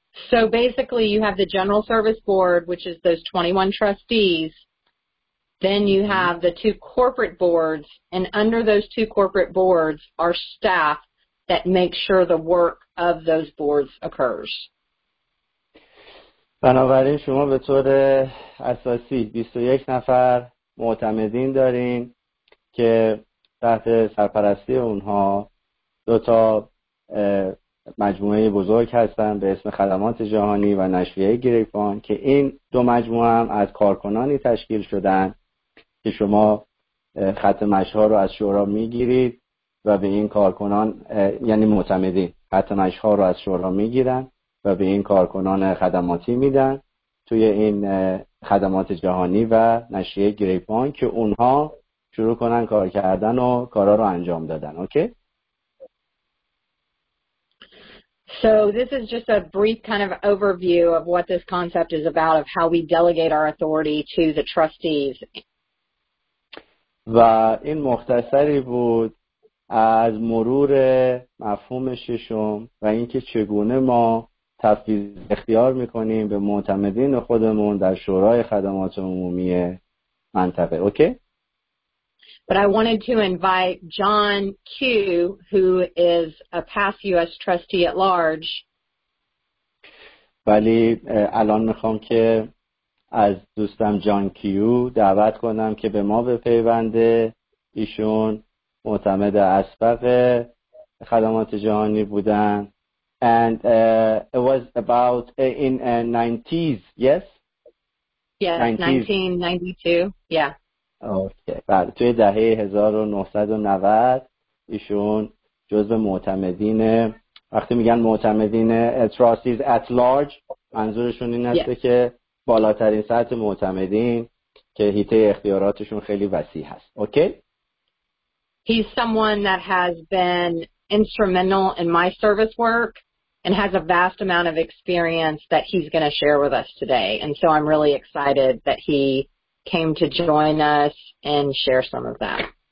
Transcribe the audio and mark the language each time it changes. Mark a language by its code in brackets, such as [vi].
[en] So basically you have the General Service Board, which is those 21 trustees, then you have the two corporate boards, and under those two corporate boards are staff that make sure the work of those boards occurs. [fa] بنابراین شما به طور اساسی 21 نفر معتمدین دارین که تحت سرپرستی اونها دو تا مجموعه بزرگ هستن به اسم خدمات جهانی و نشریه گریپوین که این دو مجموعه هم از کارکنانی تشکیل شدن که شما خط مشها رو از شورا میگیرید و به این کارکنان، یعنی معتمدین، خط مشها رو از شورا میگیرن و به این کارکنان خدماتی میدن توی این خدمات جهانی و نشریه گریپوین که اونها شروع کنن کار کردن و کارا رو انجام دادن. اوکی؟ [en] So this is just a brief kind of overview of what this concept is about, of how we delegate our authority to the trustees. [fa] و این مختصری بود از مرور مفهوم ششم و اینکه چگونه ما تفویض اختیار میکنیم به معتمدین خودمون در شورای خدمات عمومی منطقه. اوکی؟ [en] But I wanted to invite John Q, who is a past U.S. trustee at large. [fa] ولی الان میخوام که از دوستم جان کیو دعوت کنم که به ما بپیونده. ایشون معتمد اسبق خدمات جهانی بودن. [en] And it was about in 90s, yes? Yes, 1992, yeah. [fa] اوکی. توی دهه 1990 ایشون جزو معتمدین، وقتی میگن معتمدین [en] trustees at large [fa] منظورشون این است که بالاترین سطح معتمدین که حیطه اختیاراتشون خیلی وسیع هست. اوکی؟ [en] He's someone that has been instrumental in my service work and has a vast amount of experience that he's going to share with us today. And so I'm really excited that he came to join us and share some of that.